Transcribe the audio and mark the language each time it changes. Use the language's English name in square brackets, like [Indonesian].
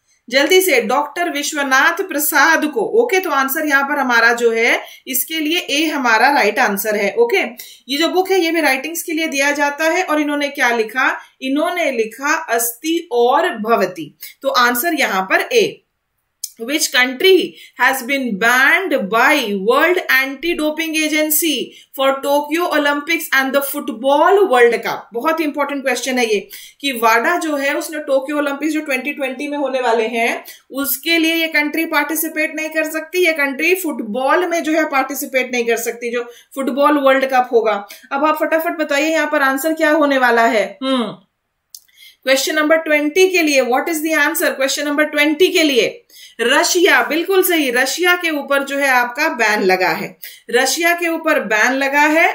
[Hindi] जल्दी से डॉक्टर विश्वनाथ प्रसाद को। ओके, तो आंसर यहाँ पर हमारा जो है इसके लिए ए हमारा राइट आंसर है। ओके, ये जो बुक है ये भी राइटिंग्स के लिए दिया जाता है, और इन्होंने क्या लिखा, इन्होंने लिखा अस्ति और भवति, तो आंसर यहाँ पर ए। [English] Which country has been banned by World Anti-Doping Agency for Tokyo Olympics and the Football World Cup? [Hindi] बहुत important question है ये कि वाडा जो है उसने टोक्यो ओलंपिक जो 2020 में होने वाले हैं उसके लिए ये कंट्री पार्टिसिपेट नहीं कर सकती, ये कंट्री फुटबॉल में जो है पार्टिसिपेट नहीं कर सकती जो फुटबॉल वर्ल्ड कप होगा। अब आप फटाफट बताइए यहाँ पर आंसर क्या होने वाला है। क्वेश्चन नंबर 20 के लिए [English] what is the answer, [Hindi] question number 20 के लिए रशिया, बिल्कुल सही, रशिया के ऊपर जो है आपका बैन लगा है, रशिया के ऊपर बैन लगा है।